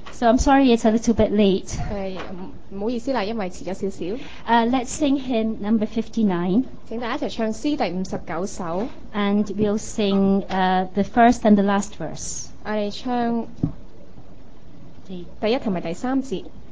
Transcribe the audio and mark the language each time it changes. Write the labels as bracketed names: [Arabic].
[English] So I'm sorry it's a little bit late. [Cantonese] 唔好意思啦，因為遲咗少少。 [English] Let's sing hymn number 59. [Cantonese] 請大家一齊唱詩第59首。 [English] And we'll sing the first and the last verse. [Cantonese] 我哋唱第一同埋第三節。